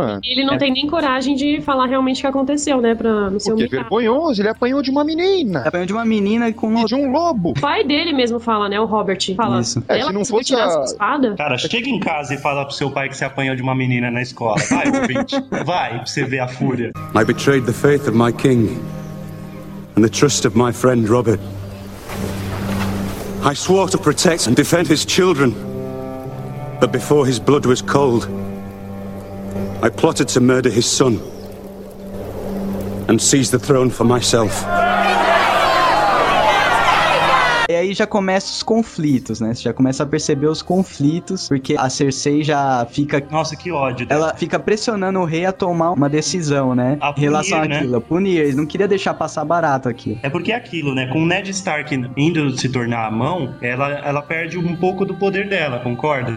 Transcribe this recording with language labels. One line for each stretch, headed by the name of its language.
Portuguese: Ele não tem nem coragem de falar realmente o que aconteceu, né? Pra, no seu porque é vergonhoso, ele apanhou de uma menina. Ele apanhou de uma menina com... E de um lobo. O pai dele mesmo fala, né? O Robert. Fala. Isso. É, se não fosse a... espada? Cara, chega em casa e fala pro seu pai que você apanhou de uma menina na escola. Vai, ouvinte. Vai, pra você ver a fúria.
English: I betrayed the faith of my king and the trust of my friend Robert. I swore to protect and defend his children. But before his blood was cold, I plotted to murder his son and seize the throne for myself.
Portuguese: E aí já começa os conflitos, né? Você já começa a perceber os conflitos, porque a Cersei já fica... Nossa, que ódio. Ela fica pressionando o rei a tomar uma decisão, né? A punir, em relação àquilo, né? A punir. Eles não queriam deixar passar barato aqui. É porque é aquilo, né? Com o Ned Stark indo se tornar a mão, ela perde um pouco do poder dela, concorda?